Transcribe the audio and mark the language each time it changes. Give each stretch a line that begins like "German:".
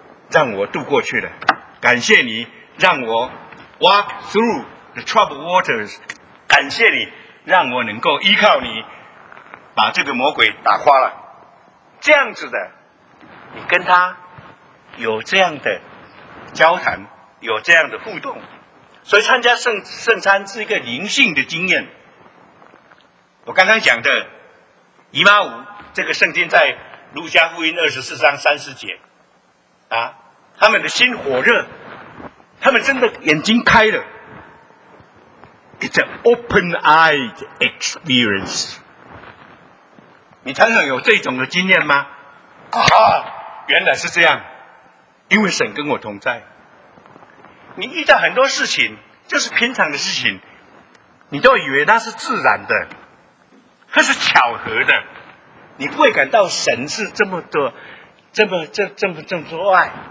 Chinese: 让我度过去了，感谢你让我
English: walk through the troubled waters，
Chinese: 感谢你让我能够依靠你把这个魔鬼打垮了，这样子的，你跟他有这样的交谈，有这样的互动，所以参加圣餐是一个灵性的经验。我刚刚讲的以马忤，这个圣经在路加福音24章30节啊，他们的心火热，他们真的眼睛开了，
English: It's an open-eyed experience.
Chinese: 你常常有这种的经验吗？啊，原来是这样。因为神跟我同在，你遇到很多事情，就是平常的事情，你都以为那是自然的，它是巧合的，你不会感到神是这么多，这么爱。